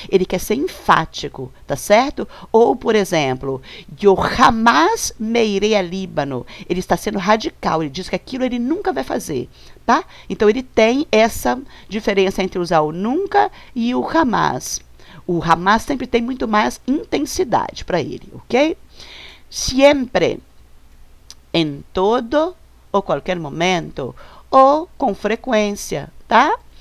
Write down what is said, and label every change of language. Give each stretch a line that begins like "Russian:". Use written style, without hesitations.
Portuguese: Ele quer ser enfático, tá certo?
Spanish: Ou, por exemplo, yo jamás me iré a Líbano.
Portuguese: Ele está sendo radical, ele diz que aquilo ele nunca vai fazer, tá? Então, ele tem essa diferença entre usar o nunca e o jamás. O jamás sempre tem muito mais intensidade para ele, ok? Siempre,
Spanish: en todo,
Portuguese: ou qualquer momento, ou com frequência, tá?